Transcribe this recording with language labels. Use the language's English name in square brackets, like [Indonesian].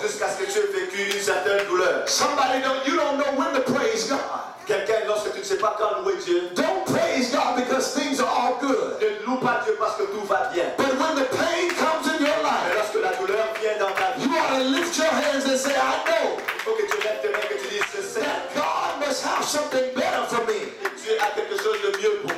[French] Jusqu'à ce que tu aies vécu une certaine douleur. [English] Somebody don't, you don't know when to praise God. [French] Quelqu'un, lorsque tu ne sais pas quand louer Dieu, [English] don't praise God because things are all good. [French] Ne loue pas Dieu parce que tout va bien. [English] But when the pain comes in your life, [French] mais lorsque la douleur vient dans ta vie, [English] you ought to lift your hands and say, I know. [French] Il faut que tu lèves tes mains et que tu dises, je sais. [English] God must have something better for me. [French] Et Dieu a quelque chose de mieux pour moi.